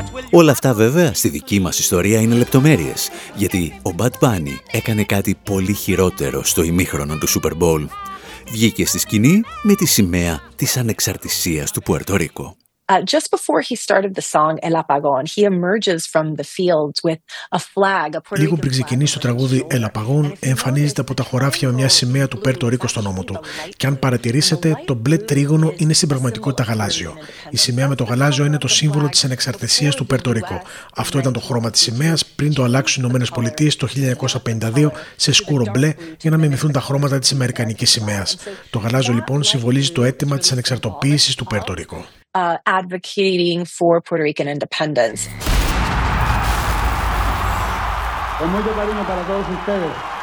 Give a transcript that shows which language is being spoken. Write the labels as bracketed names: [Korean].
[Greek] Όλα αυτά βέβαια στη δική μας ιστορία είναι λεπτομέρειες, γιατί ο Bad Bunny έκανε κάτι πολύ χειρότερο στο ημίχρονο του Super Bowl. Βγήκε στη σκηνή με τη σημαία της ανεξαρτησίας του Πουέρτο Ρίκο. [English] Just before he started the song El Apagón, he emerges from the fields with a flag. [Greek] Λίγο πριν ξεκινήσει το τραγούδι El Apagón, εμφανίζεται από τα χωράφια με μια σημαία του Πέρτο Ρίκο στον ώμο του. Και αν παρατηρήσετε, το μπλε τρίγωνο είναι στην πραγματικότητα γαλάζιο. Η σημαία με το γαλάζιο είναι το σύμβολο της ανεξαρτησίας του Πέρτο Ρίκο. Αυτό ήταν το χρώμα της σημαίας πριν το αλλάξουν οι Ηνωμένες Πολιτείες το 1952 σε σκούρο μπλε για να μιμηθούν τα χρώματα της Αμερικανικής σημαίας. Το γαλάζιο λοιπόν συμβολίζει το αίτημα της ανεξαρτοποίησης του Πέρτο Ρίκο. [English] Advocating for Puerto Rican independence. [Spanish] Con mucho cariño para todos ustedes.